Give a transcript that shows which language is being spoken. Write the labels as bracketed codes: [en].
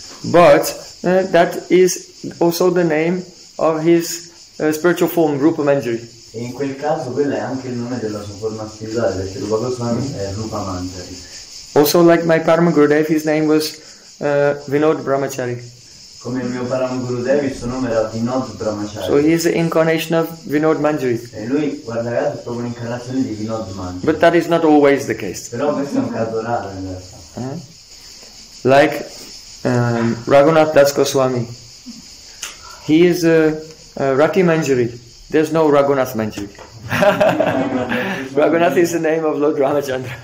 [en] But that is also the name of his spiritual form, Rupa Manjari. [it] E in quel caso quello è anche il nome della sua forma spirituale, perché Rupa Goswami è Rupa Manjari. [en] Also like my Param Gurudev, his name was Vinod Brahmachari. [it] Come il mio Param Gurudev, il suo nome era Vinod Brahmachari. [en] So he is the incarnation of Vinod Manjari. [it] E lui, guarda caso, è proprio un'incarnazione di Vinod Manjari. [en] But that is not always the case. [it] Però questo è un caso raro, in realtà. [en] Like Raghunath Das Goswami. He is Rati Manjari. There's no Raghunath Manjari. Raghunath is the name of Lord Ramachandra.